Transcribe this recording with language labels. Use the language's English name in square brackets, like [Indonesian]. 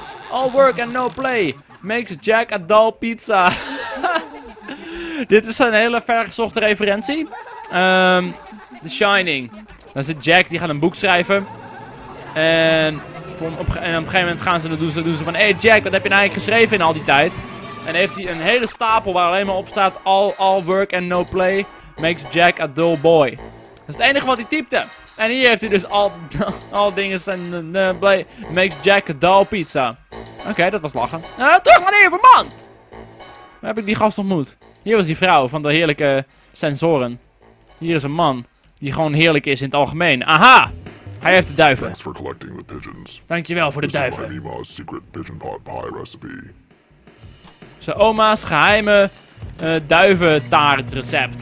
[English] All work and no play makes Jack a dull pizza. [Dutch] Dit is een hele vergezochte referentie. The Shining. Dan zit Jack, die gaat een boek schrijven. En op een gegeven moment doen ze van... Hey Jack, wat heb je nou eigenlijk geschreven in al die tijd? En heeft hij een hele stapel waar alleen maar op staat... [English] All work and no play makes Jack a dull boy. [Dutch] Dat is het enige wat hij typte. En hier heeft hij dus al dingen zijn... [English] makes Jack a dull pizza. [Dutch] Oké, dat was lachen. Terug naar de Vermand! Waar heb ik die gast ontmoet? Hier was die vrouw van de heerlijke sensoren. Hier is een man die gewoon heerlijk is in het algemeen. Aha! Hij heeft de duiven. [English] Thanks for collecting the pigeons. [Dutch] Dankjewel voor de duiven. [English] This is my Mima's secret pigeon pot pie recipe. [Dutch] Zijn oma's geheime duiventaartrecept.